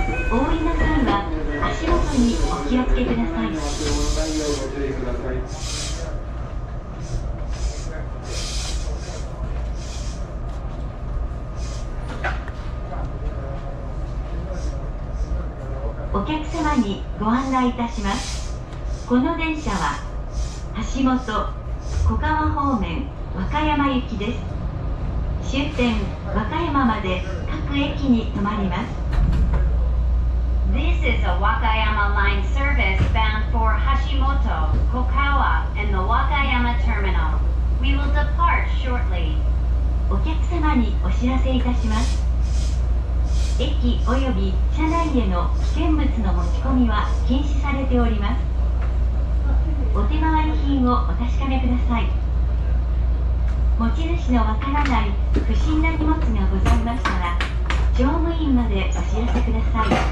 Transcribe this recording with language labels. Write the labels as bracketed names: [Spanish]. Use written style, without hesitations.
[Japanese] 応援の際は足元にお気をつけください。お客様にご案内いたします。この電車は橋本小川方面和歌山行きです。終点和歌山まで各駅に止まります。 [English] This is a Wakayama line service bound for 橋本小川 and the Wakayama terminal. We will depart shortly. [Japanese] お客様にお知らせいたします。駅および車内への危険物の持ち込みは禁止されております。お手回り品をお確かめください。持ち主のわからない不審な荷物がございましたら乗務員までお知らせください。